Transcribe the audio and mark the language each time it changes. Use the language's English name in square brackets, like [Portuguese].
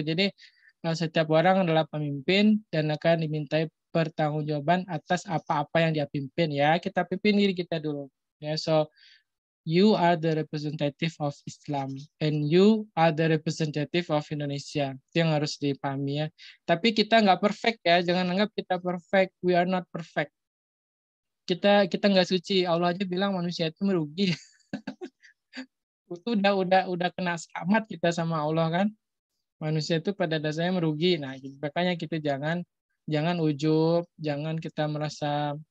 [Indonesian] Jadi, setiap orang adalah pemimpin dan akan dimintai pertanggungjawaban atas apa-apa yang dia pimpin. Ya, kita pimpin diri kita dulu. [English] Yeah, so you are the representative of Islam and you are the representative of Indonesia. [Indonesian] Itu yang harus dipahami ya. Tapi kita nggak perfect ya. Jangan anggap kita perfect. [English] We are not perfect. [Indonesian] Kita nggak suci. Allah aja bilang manusia itu merugi. Itu udah kena selamat kita sama Allah kan. Manusia itu pada dasarnya merugi. Nah, makanya kita jangan ujub. Jangan kita merasa